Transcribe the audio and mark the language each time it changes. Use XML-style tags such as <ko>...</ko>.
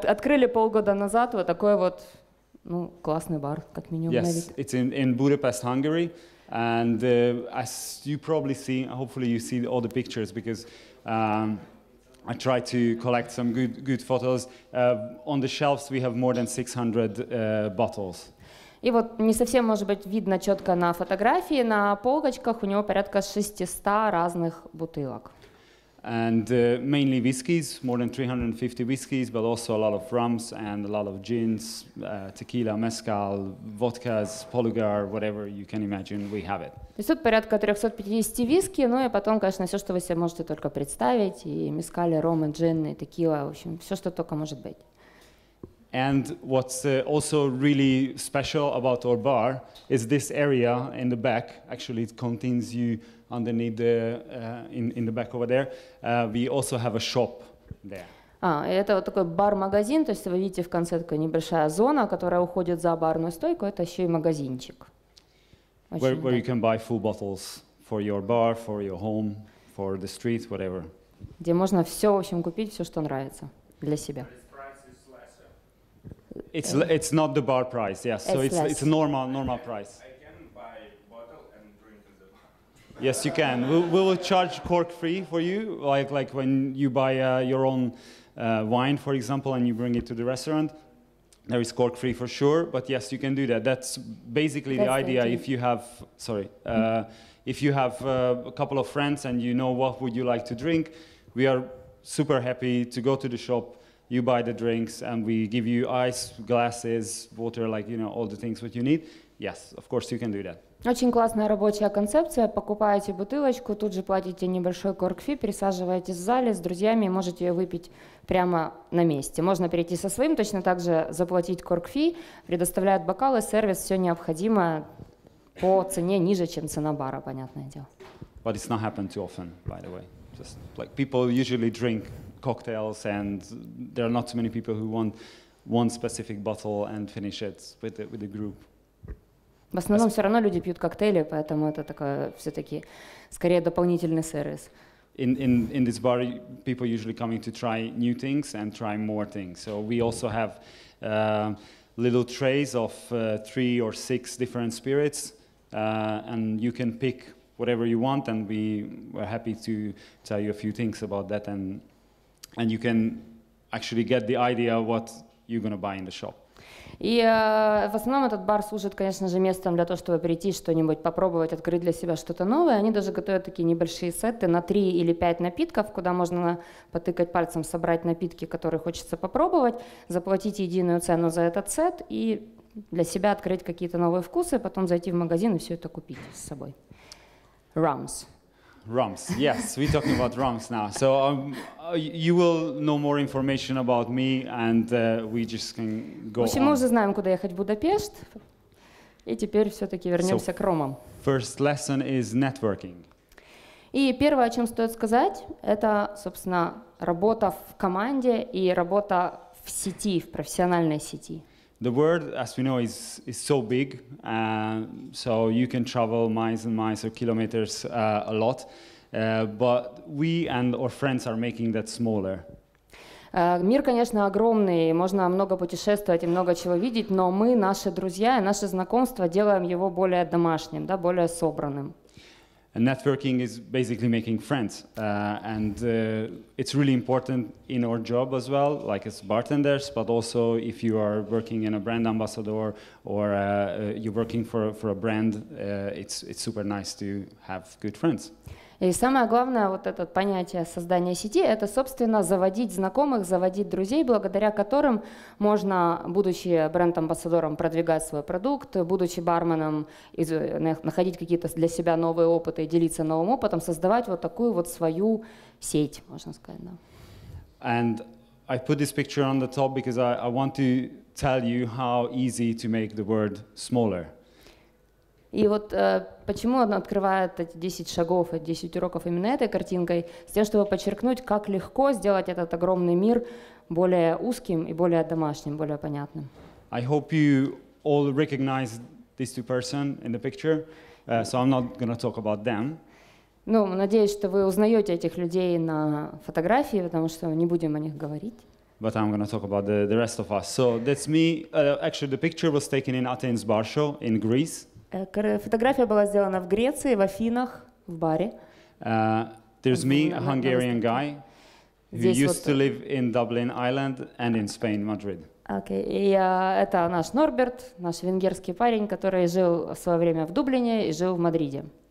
<ru>Открыли полгода назад вот такой вот, ну, классный бар, как минимум.</ru> <en>Yes, it's in Budapest, Hungary, and as you probably see, hopefully you see all the pictures, because I tried to collect some good photos. On the shelves we have more than 600 bottles.</en> <ru>И вот не совсем, может быть, видно четко на фотографии, на полочках у него порядка 600 разных бутылок.</ru> <en>And mainly whiskies, more than 350 whiskies, but also a lot of rums and a lot of gins, tequila, mezcal, vodkas, polugar, whatever you can imagine, we have it.</en> <ru>То есть тут порядка 350 виски, ну и потом, конечно, все, что вы себе можете только представить, и мескали, ром, и джин, и текила, в общем, все, что только может быть.</ru> <en>And what's also really special about our bar is this area in the back. Actually, it contains you underneath the in the back over there. We also have a shop there.</en> <ru>А, это вот такой бар-магазин, то есть вы видите в конце такая небольшая зона, которая уходит за барную стойку, это еще и магазинчик.</ru> <en>Where you can buy full bottles for your bar, for your home, for the street, whatever.</en> <ru>Где можно все, в общем, купить все, что нравится для себя.</ru> <en>It's not the bar price, yes. So it's a normal price. I can buy a bottle and drink in the bar. Yes, you can. We'll charge cork-free for you, like when you buy your own wine, for example, and you bring it to the restaurant. There is cork-free for sure, but yes, you can do that. That's basically the idea. If you have, sorry, if you have a couple of friends and you know what would you like to drink, we are super happy to go to the shop. You buy the drinks, and we give you ice, glasses, water, like, you know, all the things what you need. Yes, of course you can do that.</en> <ru>Очень классная рабочая концепция. Покупаете бутылочку, тут же платите небольшой корк-фи, присаживаетесь в зале с друзьями и можете ее выпить прямо на месте. Можно перейти со своим, точно так же заплатить корк-фи, предоставляют бокалы, сервис, все необходимое по цене ниже, чем цена бара, понятное дело.</ru> <en>But it's not happened too often, by the way. Just like people usually drink cocktails and there are not too many people who want one specific bottle and finish it with the group.</en> <ru>В основном все равно люди пьют коктейли, поэтому это такое все-таки скорее дополнительный сервис.</ru> <en>In this bar, people usually coming to try new things and try more things. So we also have little trays of three or six different spirits, and you can pick whatever you want, and we were happy to tell you a few things about that, and you can actually get the idea of what you're gonna buy in the shop.</en> <ru>И в основном этот бар служит, конечно же, местом для того, чтобы прийти что-нибудь попробовать, открыть для себя что-то новое. Они даже готовят такие небольшие сеты на 3 или 5 напитков, куда можно потыкать пальцем, собрать напитки, которые хочется попробовать, заплатить единую цену за этот сет и для себя открыть какие-то новые вкусы, потом зайти в магазин и все это купить с собой.</ru> <en>Rums. Rums, yes, we're talking about rums now. So you will know more information about me, and we just can go.</en> <ru>В общем, мы уже знаем, куда ехать в Будапешт, и теперь все-таки вернемся к ромам.</ru> <en>First lesson is networking.</en> <ru>И первое, о чем стоит сказать, это, собственно, работа в команде и работа в сети, в профессиональной сети.</ru> <en>The world, as we know, is so big, so you can travel miles and miles or kilometers a lot, but we and our friends are making that smaller.</en> <ru>Мир, конечно, огромный, можно много путешествовать и много чего видеть, но мы, наши друзья и наши знакомства делаем его более домашним, да, более собранным.</ru> <en>And networking is basically making friends, and it's really important in our job as well, like as bartenders, but also if you are working in a brand ambassador or you're working for a brand, it's super nice to have good friends.</en> <ru>И самое главное вот это понятие создания сети – это, собственно, заводить знакомых, заводить друзей, благодаря которым можно, будучи бренд-амбассадором, продвигать свой продукт, будучи барменом, находить какие-то для себя новые опыты и делиться новым опытом, создавать вот такую вот свою сеть, можно сказать. Да.</ru> <en>And I put this picture on the top because I want to tell you how easy to make the world smaller.</en> <ru>И вот почему она открывает эти 10 шагов, 10 уроков именно этой картинкой, с тем, чтобы подчеркнуть, как легко сделать этот огромный мир более узким и более домашним, более понятным.</ru> <en>I hope you all recognize these two persons in the picture, so I'm not going to talk about them.</en> <ru>Ну, надеюсь, что вы узнаете этих людей на фотографии, потому что не будем о них говорить.</ru> <en>But I'm going to talk about the rest of us. So that's me. Actually, the picture was taken in Athens Bar Show in Greece.</en> <ru>Фотография была сделана в Греции, в Афинах, в баре.</ru> <en>There's me, a Hungarian guy, who used to live in Dublin, Ireland, and in Spain, Madrid. Okay.</en> <ru>И это наш Норберт, наш венгерский парень, который жил в свое время в Дублине и жил в Мадриде.</ru>